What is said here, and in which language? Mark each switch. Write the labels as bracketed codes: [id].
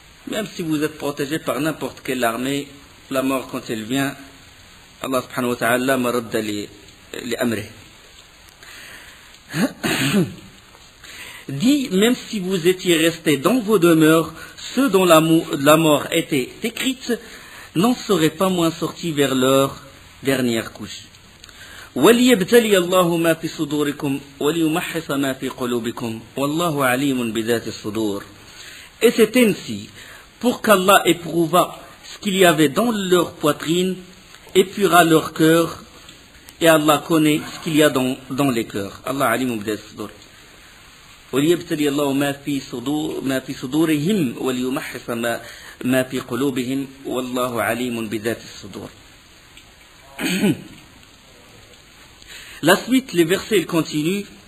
[fr] Même si vous êtes protégé par n'importe quelle armée, la mort quand elle vient, Allah [ar] سبحانه وتعالى مرد لأمره. [fr] Dit, même si vous étiez restés dans vos demeures, ceux dont la mort était écrite n'en seraient pas moins sortis vers leur dernière couche. [ar] وليبتلي الله ما في صدوركم وليمحص ما في قلوبكم والله عليم بذات الصدور. [fr] Et c'est ainsi pour qu'Allah éprouva ce qu'il y avait dans leur poitrine, épura leur cœur, et Allah connaît ce qu'il y a dans les cœurs. [ar] Allah عليم بذات الصدور. وليبتلي الله ما في صدورهم وليمحص ما في قلوبهم والله عليم بذات الصدور. [fr] La suite, les versets, ils continuent.